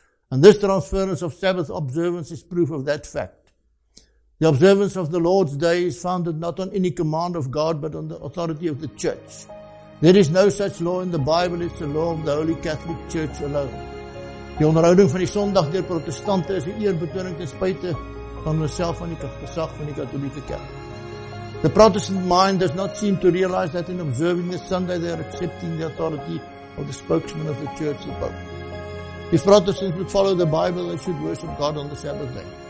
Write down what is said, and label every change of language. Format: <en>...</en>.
<en>And this transference of Sabbath observance is proof of that fact. The observance of the Lord's Day is founded not on any command of God, but on the authority of the church. There is no such law in the Bible, it's the law of the Holy Catholic Church alone.</en> <af>Die onderhouding van die Sondag deur protestante is 'n eerbetoning ten spyte van myself van die gesag van die katolieke kerk.</af> <en>The Protestant mind does not seem to realize that in observing the Sunday they are accepting the authority of the spokesman of the church above. If Protestants would follow the Bible, they should worship God on the Sabbath day.</en>